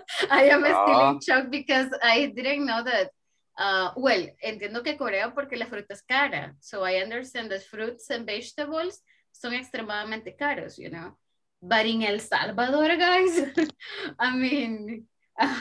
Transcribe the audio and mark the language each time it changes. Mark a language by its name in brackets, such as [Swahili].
[English] I am still in shock because I didn't know that. [Spanish] Well, entiendo que Corea porque la fruta es cara. [English] So I understand that fruits and vegetables [Spanish] son extremadamente caros, [English] you know. But in El Salvador, guys, I mean, so.